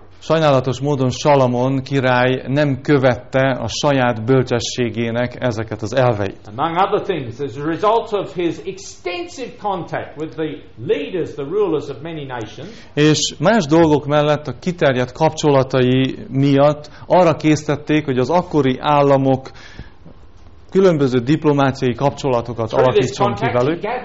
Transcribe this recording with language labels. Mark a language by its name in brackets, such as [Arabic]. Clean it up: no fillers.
[Hungarian] Sajnálatos módon Salamon király nem követte a saját bölcsességének ezeket az elveit. [English] Among other things, as a result of his extensive contact with the leaders, the rulers of many nations. [Hungarian] És más dolgok mellett a kiterjedt kapcsolatai miatt arra késztették, hogy az akkori államok különböző diplomáciai kapcsolatokat alakítson ki velük.